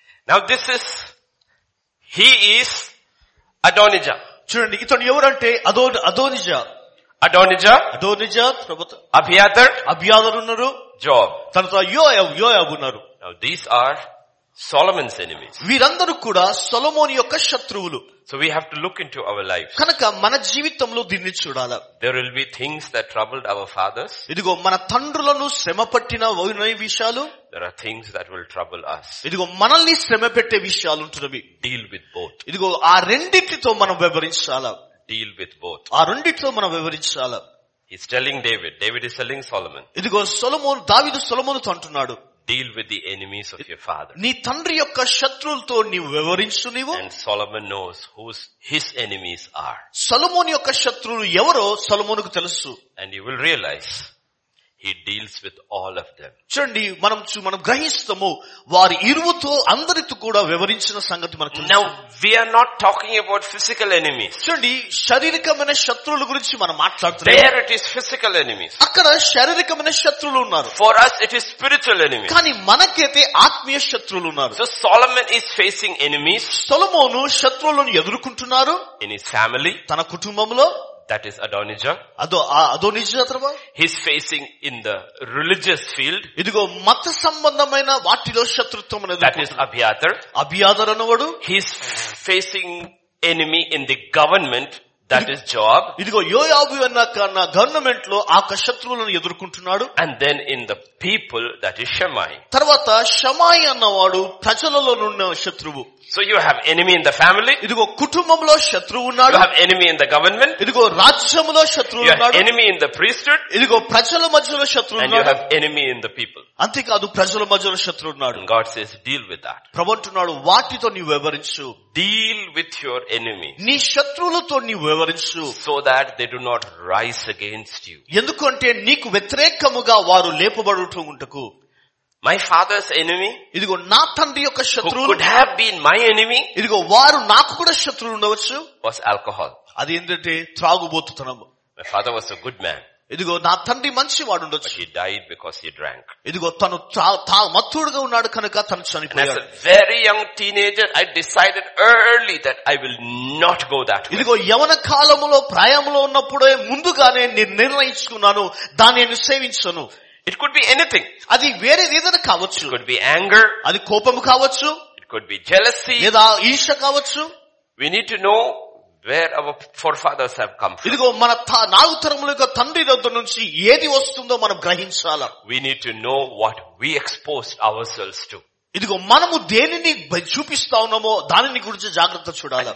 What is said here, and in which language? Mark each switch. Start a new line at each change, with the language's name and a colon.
English: Now this is he is Adonijah.
Telugu: చూడండి ఇతను ఎవరంటే అదోనిజా. అడోనిజా అడోనిజా అబ్యాతర్ అబ్యాతర్ ఉన్నారు. జోబ్ తర్వాత యోయాబు యోయాబు ఉన్నారు.
English: Now this are Solomon's enemies.
Telugu: వీరందరూ కూడా సొలొమోన్ యొక్క శత్రువులు.
English: So we have to look into our lives.
Telugu: కనుక మన జీవితంలో దీన్ని చూడాలి.
English: There will be things that troubled our fathers.
Telugu: ఇదిగో మన తండ్రులను శ్రమపట్టిన వైనవి విషయాలు.
English: There are things that will trouble us.
Telugu: ఇదిగో మనల్ని శ్రమపెట్టే విషయాలు ఉంటుంది.
English: Deal with both.
Telugu: ఇదిగో ఆ రెండింటితో మనం వ్యవహరించాలి.
English: Deal with both.
Telugu: ఆ రెండింటితో మనం వ్యవహరించాలి.
English: He is telling David. David is telling Solomon.
Telugu: ఇదిగో సొలొమోన్ దావీదు సొలొమోను అంటున్నాడు.
English: Deal with the enemies of your father.
Telugu: నీ తండ్రి యొక్క శత్రులతో నీవు వ్యవహరించు నీవు.
English: And Solomon knows who his enemies are.
Telugu: Solomon యొక్క శత్రులు ఎవరో సొలొమోనుకు తెలుసు.
English: And you will realize he deals with all of them.
Telugu: చూడండి మనం గ్రహిస్తాము వారి ఇరువుతో అందరితో కూడా వ్యవహరించిన సంగతి మనకు.
English: Now we are not talking about physical enemies.
Telugu: చూడండి శారీరకమైన శత్రువుల గురించి మనం మాట్లాడుతున్నాం.
English: There it is physical enemies.
Telugu: అక్కడ శారీరకమైన శత్రువులు ఉన్నారు.
English: For us it is spiritual enemies.
Telugu: కానీ మనకైతే ఆత్మీయ శత్రువులు ఉన్నారు.
English: So Solomon is facing enemies.
Telugu: సొలొమోను శత్రువులను ఎదుర్కొంటున్నారు.
English: In his family.
Telugu: తన కుటుంబంలో.
English: That is Adonijah. Adonijah. He's facing in the religious field.
Telugu: ఇదిగో మత సంబంధమైన వాటిలో శత్రుత్వం.
English: That is Abiathar.
Telugu: Abiathar అనవడు.
English: He's facing enemy in the government. That is Joab.
Telugu: ఇదిగో యోయాబు అన్న గవర్నమెంట్ లో ఆ శత్రువులను ఎదుర్కొంటున్నాడు.
English: And then in the people, that is Shammai.
Telugu: తర్వాత షమాయి అన్నవాడు ప్రజలలో ఉన్న శత్రువు.
English: So you have enemy in the family.
Telugu: ఇదిగో కుటుంబంలో శత్రువు ఉన్నాడు.
English: You have enemy in the government.
Telugu: ఇదిగో రాజ్యములో శత్రువు ఉన్నాడు.
English: Enemy in the priesthood.
Telugu: ఇదిగో ప్రజల మధ్యలో శత్రువు ఉన్నాడు.
English: And you have enemy in the people.
Telugu: అంతేకాదు ప్రజల మధ్యలో శత్రువు ఉన్నాడు.
English: God says deal with that.
Telugu: ప్రభు అంటున్నాడు వాటితో నీవు వ్యవహరించు.
English: Deal with your enemy.
Telugu: నీ శత్రువులతో నీవు వ్యవహరించు.
English: So that they do not rise against you.
Telugu: ఎందుకంటే నీకు వ్యతిరేకముగా వారు లేపబడుటకు.
English: My father's enemy.
Telugu: ఇదిగో నా తండ్రి యొక్క శత్రువు.
English: Could have been my enemy.
Telugu: ఇదిగో వారు నాకు కూడా శత్రువు ఉండవచ్చు.
English: Was alcohol.
Telugu: అది ఏంటంటే త్రాగుబోతుతనం.
English: My father was a good man.
Telugu: ఇదిగో నా తండ్రి మంచి వాడు ఉండొచ్చు.
English: He died because he drank.
Telugu: ఇదిగో తను మత్తుడుగా ఉన్నాడు కనుక తను చనిపోయాడు.
English: As a very young teenager, I decided early that I will not go that way.
Telugu: ఇదిగో యవన కాలములో ప్రాయములో ఉన్నప్పుడే ముందుగానే నిర్ణయించుకున్నాను దాన్ని నేను సేవించను.
English: It could be anything.
Telugu: అది వేరే ఏదైనా కావచ్చు.
English: It could be anger.
Telugu: అది కోపము కావచ్చు.
English: It could be jealousy.
Telugu: లేదా ఈర్ష్య కావచ్చు.
English: We need to know where our forefathers have come from.
Telugu: ఇదిగో మన నాలుగు తరముల యొక్క తండ్రి దగ్గర నుంచి ఏది వస్తుందో మనం గ్రహించాలి.
English: We need to know what we exposed ourselves to.
Telugu: ఇదిగో మనము దేనిని చూపిస్తా ఉన్నామో దానిని గురించి జాగ్రత్త చూడాలి.